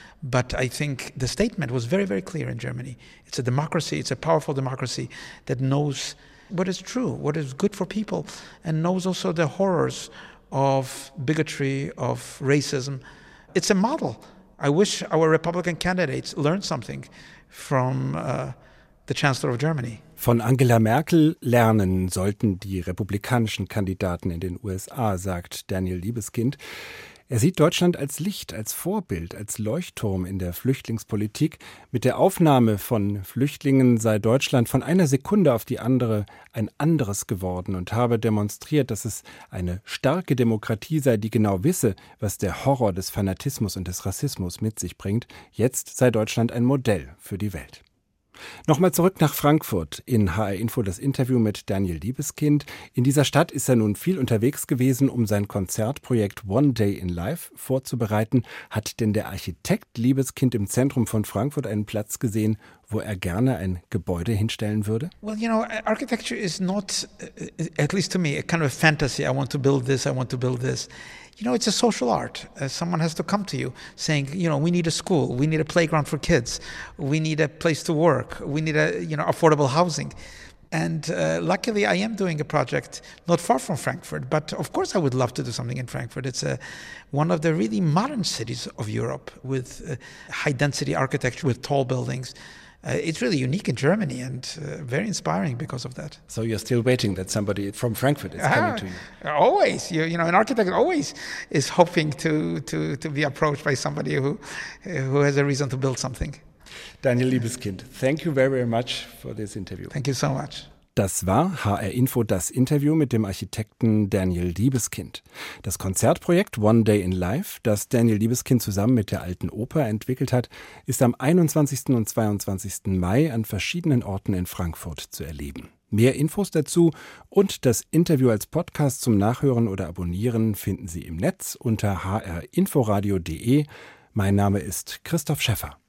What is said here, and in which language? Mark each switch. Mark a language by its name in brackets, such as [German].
[English] But I think the statement was very, very clear in Germany. It's a democracy, it's a powerful democracy that knows what is true, what is good for people, and knows also the horrors of bigotry, of racism. It's a model. I wish our Republican candidates learned something from the Chancellor of Germany. [German] Von Angela Merkel lernen sollten die republikanischen Kandidaten in den USA, sagt Daniel Liebeskind. Er sieht Deutschland als Licht, als Vorbild, als Leuchtturm in der Flüchtlingspolitik. Mit der Aufnahme von Flüchtlingen sei Deutschland von einer Sekunde auf die andere ein anderes geworden und habe demonstriert, dass es eine starke Demokratie sei, die genau wisse, was der Horror des Fanatismus und des Rassismus mit sich bringt. Jetzt sei Deutschland ein Modell für die Welt. Nochmal zurück nach Frankfurt in HR Info, das Interview mit Daniel Liebeskind. In dieser Stadt ist er nun viel unterwegs gewesen, um sein Konzertprojekt One Day in Life vorzubereiten. Hat denn der Architekt Liebeskind im Zentrum von Frankfurt einen Platz gesehen, wo er gerne ein Gebäude hinstellen würde? [English] Well, you know, architecture is not, at least to me, a kind of a fantasy. I want to build this, I want to build this. You know, it's a social art. Someone has to come to you saying, you know, we need a school, we need a playground for kids, we need a place to work, we need a, you know, affordable housing. And luckily, I am doing a project not far from Frankfurt, but of course I would love to do something in Frankfurt. It's one of the really modern cities of Europe with high-density architecture, with tall buildings. It's really unique in Germany and very inspiring because of that. So you're still waiting that somebody from Frankfurt is coming to you? Always. You know, an architect always is hoping to be approached by somebody who has a reason to build something. Daniel Liebeskind, thank you very, very much for this interview. Thank you so much. [German] Das war HR Info, das Interview mit dem Architekten Daniel Liebeskind. Das Konzertprojekt One Day in Life, das Daniel Liebeskind zusammen mit der Alten Oper entwickelt hat, ist am 21. und 22. Mai an verschiedenen Orten in Frankfurt zu erleben. Mehr Infos dazu und das Interview als Podcast zum Nachhören oder Abonnieren finden Sie im Netz unter hrinforadio.de. Mein Name ist Christoph Schäffer.